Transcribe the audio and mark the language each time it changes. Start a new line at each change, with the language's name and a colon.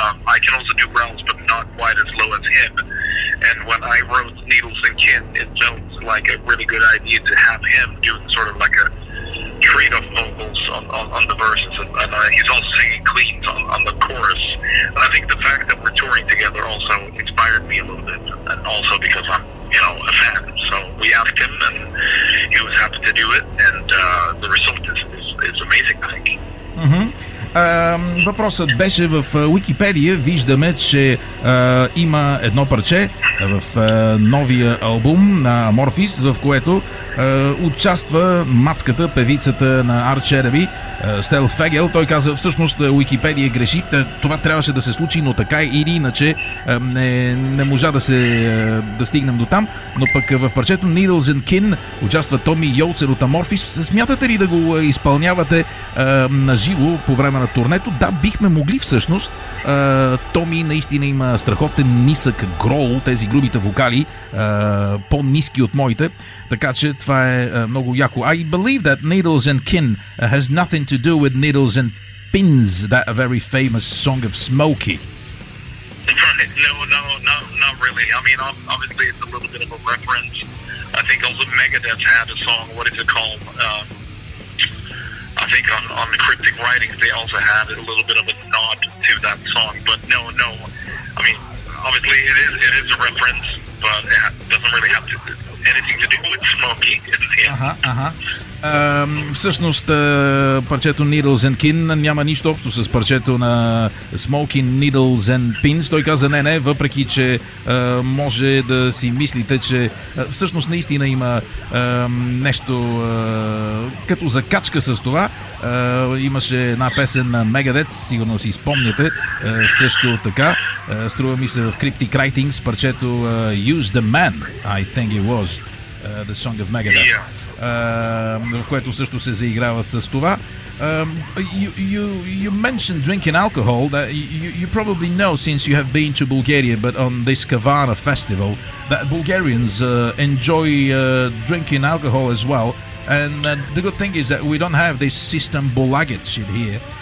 English: I can also do growls, but not quite as low as him. And when I wrote Needles and Kin, it felt like a really good idea to have him doing sort of like a trade of vocals on the verses, and he's also singing clean on the chorus. And I think the fact that we're touring together also inspired me a little bit, and also because I'm, a fan. So we asked him, and he was happy to do it, and the result is amazing, I think. Mm-hmm.
Bulgarian: Въпросът беше в Wikipedia. Виждаме, че има едно парче в новия албум на Amorphis, в което участва мацката, певицата на Arch Enemy, Стел Фегел. Той каза, всъщност Wikipedia греши, това трябваше да се случи, но така или иначе не можа да се да стигнем до там. Но пък в парчето Needles and Kin участва Томи Йолцер от Amorphis. Смятате ли да го изпълнявате наживо по време на турнето? Да, бихме могли всъщност. Томи наистина има страхотен нисък грол, тези грубите вокали, по-ниски от моите, така че това е много яко.
English: I believe that Needles and Kin has nothing to do with Needles and Pins, that very famous song of Smokey. Right. No, not really. I mean, obviously it's a little bit of a reference. I think also Megadeth had a song, what is it called? I think on the Cryptic Writings they also had a little bit of a nod to that song, but no. I mean, obviously it is a reference, but it doesn't really have anything to do with Smokey in the end.
Bulgarian: Всъщност парчето Needles and Kin няма нищо общо с парчето на Smokey Needles and Pins. Той каза не, въпреки че може да си мислите, че всъщност наистина има нещо като закачка с това. Имаше една песен на Megadeth, сигурно си спомняте, също така. Струва ми се в Cryptic Writings парчето Use the Man,
English: I think it was the song of Megadeth. Yeah.
Bulgarian: В което също се заиграват с това.
English: You mentioned drinking alcohol, that you probably know since you have been to Bulgaria, but on this Kavana festival, that Bulgarians enjoy drinking alcohol as well. And the good thing is that we don't have this system bulagit shit here.